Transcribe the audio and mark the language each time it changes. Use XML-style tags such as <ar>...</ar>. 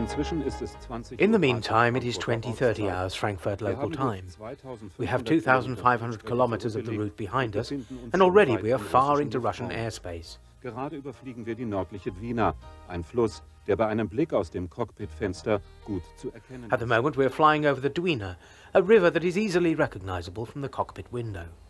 <en>In the meantime, it is 20:30 hours Frankfurt local time. We have 2,500 kilometers of the route behind us, and already we are far into Russian airspace.</en> <de>Gerade überfliegen wir die nördliche Wiener, ein Fluss, der bei einem Blick aus dem Cockpitfenster gut zu erkennen ist.</de> <en>At the moment, we are flying over the Dwina, a river that is easily recognizable from the cockpit window.</en>